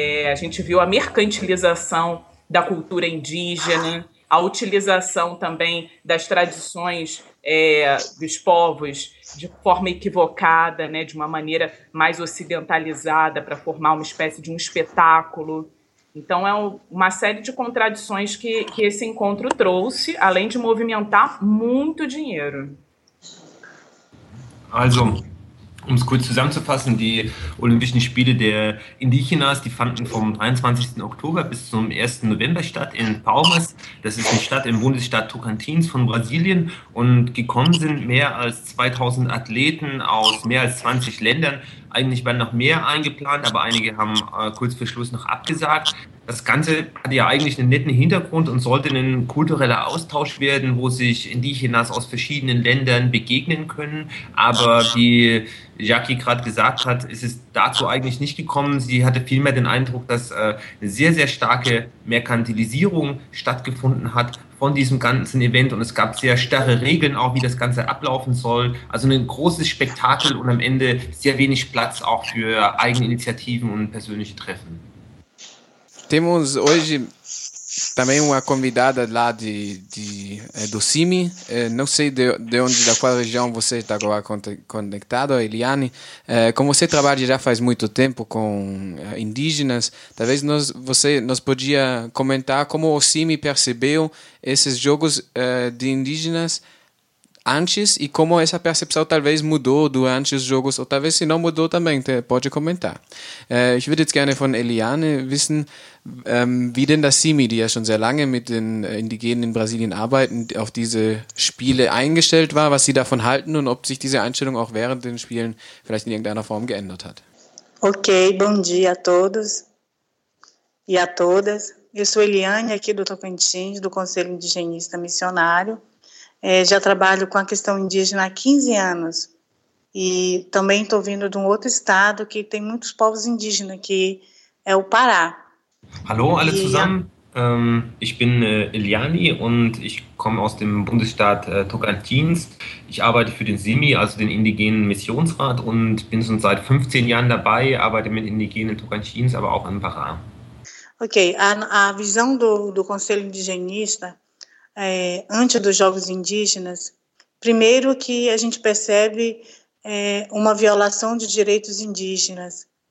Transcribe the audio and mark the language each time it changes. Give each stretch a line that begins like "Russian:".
Portuguese: a gente viu a mercantilização da cultura indígena, a utilização também das tradições dos povos de forma equivocada, né, de uma maneira mais ocidentalizada para formar uma espécie de um espetáculo. Então, é uma série de contradições que esse encontro trouxe, além de movimentar muito dinheiro.
German: Also, um es kurz zusammenzufassen, die Olympischen Spiele der Indígenas, die fanden vom 23. Oktober bis zum 1. November statt in Palmas. Das ist eine Stadt im Bundesstaat Tocantins von Brasilien. Und gekommen sind mehr als 2000 Athleten aus mehr als 20 Ländern. Eigentlich waren noch mehr eingeplant, aber einige haben kurz vor Schluss noch abgesagt. Das Ganze hat ja eigentlich einen netten Hintergrund und sollte ein kultureller Austausch werden, wo sich Indigenas aus verschiedenen Ländern begegnen können. Aber wie Jackie gerade gesagt hat, ist es dazu eigentlich nicht gekommen. Sie hatte vielmehr den Eindruck, dass eine sehr, sehr starke Merkantilisierung stattgefunden hat von diesem ganzen Event und es gab sehr starre Regeln auch, wie das Ganze ablaufen soll. Also ein großes Spektakel und am Ende sehr wenig Platz auch für Eigeninitiativen und persönliche Treffen.
Portuguese: Temos hoje também uma convidada lá do CIMI, não sei de onde, da qual região você está agora conectado, Eliane. Como você trabalha já faz muito tempo com indígenas, talvez você podia comentar como o CIMI percebeu esses jogos de indígenas antes e como essa percepção talvez mudou durante os jogos, ou talvez se não mudou também, pode comentar.
German: Ich würde jetzt gerne von Eliane wissen, wie denn das CIMI, die ja schon sehr lange mit den Indigenen in Brasilien arbeiten, auf diese Spiele eingestellt war, was sie davon halten und ob sich diese Einstellung auch während den Spielen vielleicht in irgendeiner Form geändert hat.
Portuguese: Okay, bom dia a todos e a todas. Eu sou Eliane, aqui do Tocantins, do Conselho Indigenista Missionário. Já trabalho com a questão indígena há 15 anos e também estou vindo de um outro estado que tem muitos povos indígenas, que é o Pará.
German: Hallo alle zusammen, ich bin Eliani und ich komme aus dem Bundesstaat Tocantins. Ich arbeite für den CIMI, also den Indigenen Missionsrat, und bin schon seit 15 Jahren dabei, arbeite mit Indigenen Tocantins, aber auch in Pará.
Portuguese: Okay, a visão do Conselho Indigenista, antes dos Jogos Indígenas, primeiro que a gente percebe uma violação de direitos indígenas.